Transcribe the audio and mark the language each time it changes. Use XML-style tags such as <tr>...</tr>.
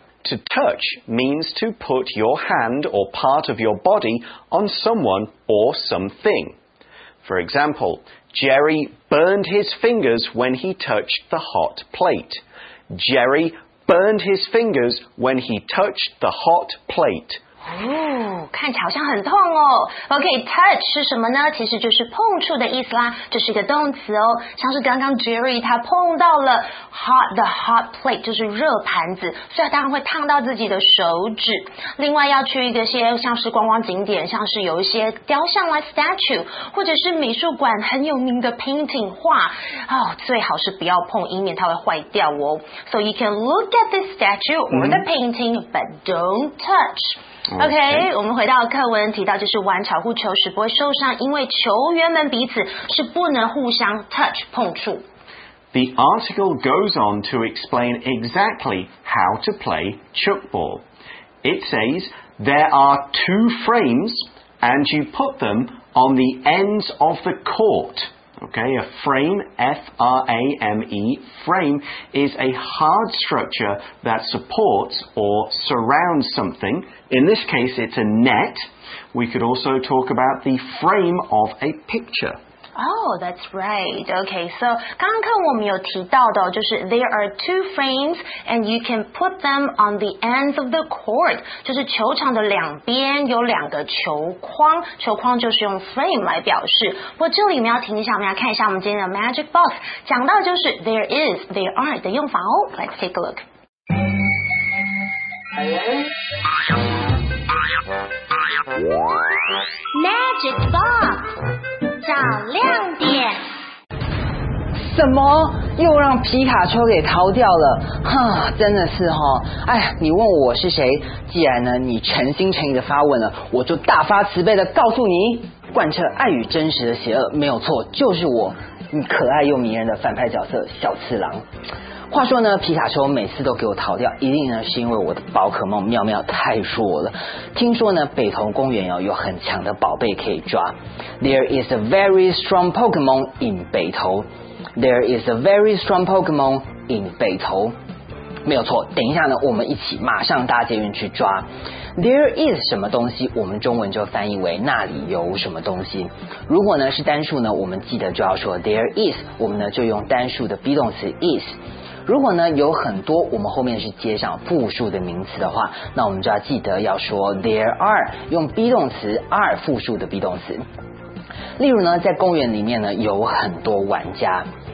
<en>To touch means to put your hand or part of your body on someone or something. For example, Jerry burned his fingers when he touched the hot plate. Jerry burned his fingers when he touched the hot plate.</en> <zh>哦，看起来好像很痛哦。OK, touch 是什么呢？其实就是碰触的意思啦，这是一个动词哦。像是刚刚 Jerry 他碰到了 the hot plate, 就是热盘子，所以他当然会烫到自己的手指。另外要去一些像是观光景点，像是有一些雕像啦 statue, 或者是美术馆很有名的 painting 画、哦、最好是不要碰，以免它会坏掉哦。</zh> <en>So you can look at the statue or the painting,、mm-hmm. but don't touch. Okay,</en> <zh>OK, 我们回到课文提到就是玩巧固球时不会受伤，因为球员们彼此是不能互相 touch 碰触。</zh> <en>The article goes on to explain exactly how to play chuck ball. It says there are two frames and you put them on the ends of the court. Okay, a frame, F-R-A-M-E, frame is a hard structure that supports or surrounds something. In this case, it's a net. We could also talk about the frame of a picture. Oh, that's right. Okay, so</en> <zh>刚刚我们有提到的就是</zh> <en>there are two frames and you can put them on the ends of the court.</en> <zh>就是球场的两边有两个球框，球框就是用 frame 来表示。不过这里我们要停一下，我们要看一下我们今天的 magic box 讲到就是 there is, there are 的用法哦。</zh> <en>Let's take a look.</en> <zh>Magic box 找亮点。什么？又让皮卡丘给逃掉了？哈，真的是哈、哦。哎，你问我是谁？既然呢，你诚心诚意的发问了，我就大发慈悲的告诉你，贯彻爱与真实的邪恶，没有错，就是我，你可爱又迷人的反派角色小次郎。话说呢，皮卡丘每次都给我逃掉，一定呢是因为我的宝可梦妙妙太弱了。听说呢，北投公园有很强的宝贝可以抓。</zh> <en>There is a very strong Pokemon in 北投。 There is a very strong Pokemon in 北投。</en> <zh>没有错，等一下呢，我们一起马上搭捷运去抓。 There is 什么东西，我们中文就翻译为那里有什么东西。如果呢是单数呢，我们记得就要说 There is， 我们呢就用单数的 be 动词 is。如果呢有很多我们后面是接上复数的名词的话，那我们就要记得要说 there are， 用 be 动词 are 复数的 be 动词。例如呢，在公园里面呢有很多玩家，</zh>